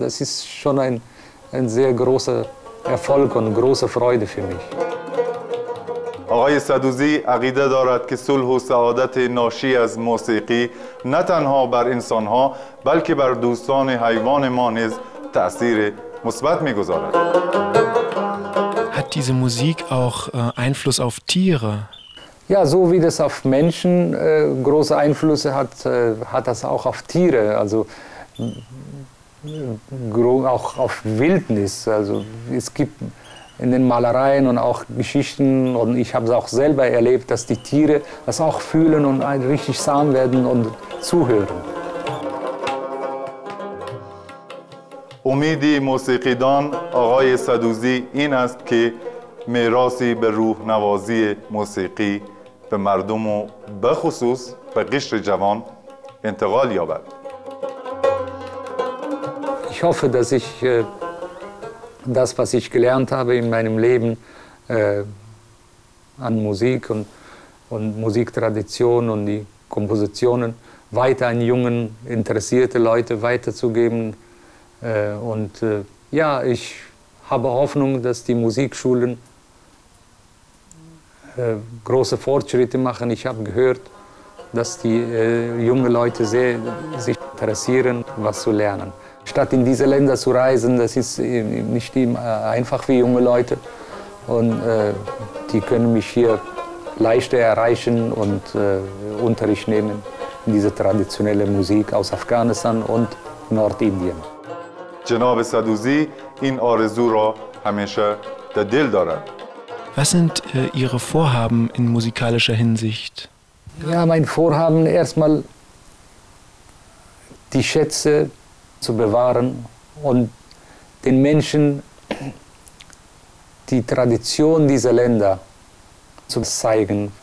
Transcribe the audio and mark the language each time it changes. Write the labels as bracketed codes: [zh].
[de] Das ist schon ein sehr großer Erfolg und große Freude für mich. [fa] آقای صدوزی عقیده دارد که صلح و سعادت ناشی از موسیقی نه تنها بر انسان‌ها بلکه بر دوستان حیوان ما نیز تأثیر مثبت می‌گذارد. [de] Hat diese Musik auch Einfluss auf Tiere? Ja, so wie das auf Menschen große Einflüsse hat, hat das auch auf Tiere, also auch auf Wildnis. Also es gibt in den Malereien und auch Geschichten, und ich habe es auch selber erlebt, dass die Tiere das auch fühlen und richtig sahen werden und zuhören. [fa] امید موسیقیدان آقای صدوزی این است که میراثی به روح نوازی موسیقی به مردم و به خصوص به قشر جوان انتقال یابد. [de] Ich hoffe, dass ich das, was ich gelernt habe in meinem Leben an Musik und Musiktradition und die Kompositionen weiter an jungen interessierte Leute weiterzugeben. Und ich habe Hoffnung, dass die Musikschulen große Fortschritte machen. Ich habe gehört, dass die jungen Leute sich interessieren, was zu lernen. Statt in diese Länder zu reisen, das ist nicht einfach für junge Leute. Und die können mich hier leichter erreichen und Unterricht nehmen in diese traditionelle Musik aus Afghanistan und Nordindien. [fa] جناب صدوزی این آرزو را همیشه در دل دارد. [de] Was sind Ihre Vorhaben in musikalischer Hinsicht? Ja, mein Vorhaben erstmal, die Schätze zu bewahren und den Menschen die Tradition dieser Länder zu zeigen.